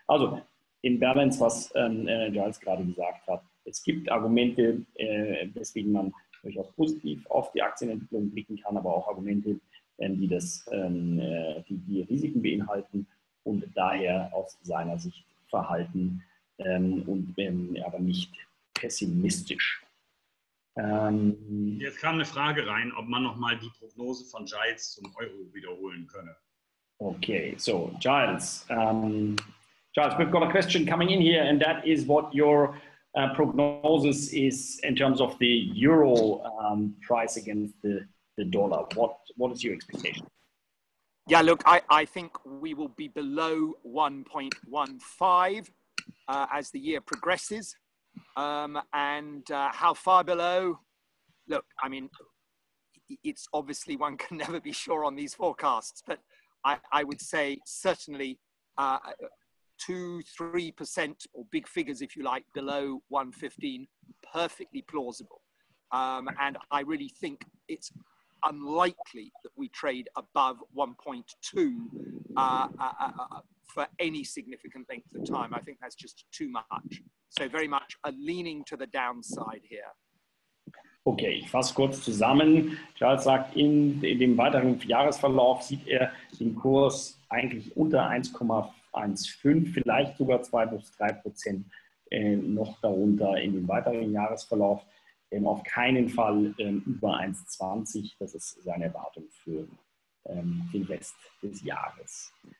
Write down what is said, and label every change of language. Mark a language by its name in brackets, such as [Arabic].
[German] Also, in Balance, was Giles gerade gesagt hat, es gibt Argumente, weswegen man durchaus positiv auf die Aktienentwicklung blicken kann, aber auch Argumente, die Risiken beinhalten und daher aus seiner Sicht verhalten aber nicht pessimistisch. Jetzt kam eine Frage rein, ob man nochmal die Prognose von Giles zum Euro wiederholen könne. [English] Okay, so Giles, Giles, we've got a question coming in here, and that is what your prognosis is in terms of the Euro price against the dollar. What is your expectation? Yeah, look, I think we will be below 1.15 as the year progresses. How far below? Look, I mean, it's obviously one can never be sure on these forecasts, but I would say certainly 2, 3%, or big figures, if you like, below 115, perfectly plausible. And I really think it's unlikely that we trade above 1.2 for any significant length of time. I think that's just too much. So very much a leaning to the downside here. [German] Okay, ich fasse kurz zusammen. Charles sagt, in dem weiteren Jahresverlauf sieht er den Kurs eigentlich unter 1,15, vielleicht sogar 2-3% noch darunter in dem weiteren Jahresverlauf. Auf keinen Fall über 1,20. Das ist seine Erwartung für den Rest des Jahres.